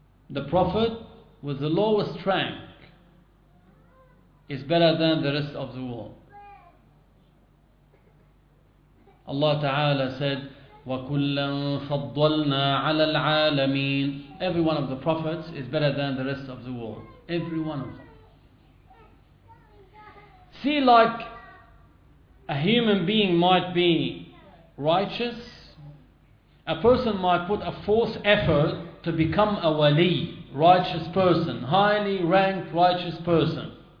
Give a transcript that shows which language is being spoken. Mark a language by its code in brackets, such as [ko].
[en] The prophet with the lowest rank is better than the rest of the world. Allah Ta'ala said, [ar] وَكُلًّا فَضَّلْنَا عَلَى الْعَالَمِينَ. [en] Every one of the prophets is better than the rest of the world. Every one of them. See, like, a human being might be righteous. A person might put a false effort to become a wali, righteous person, highly ranked righteous person.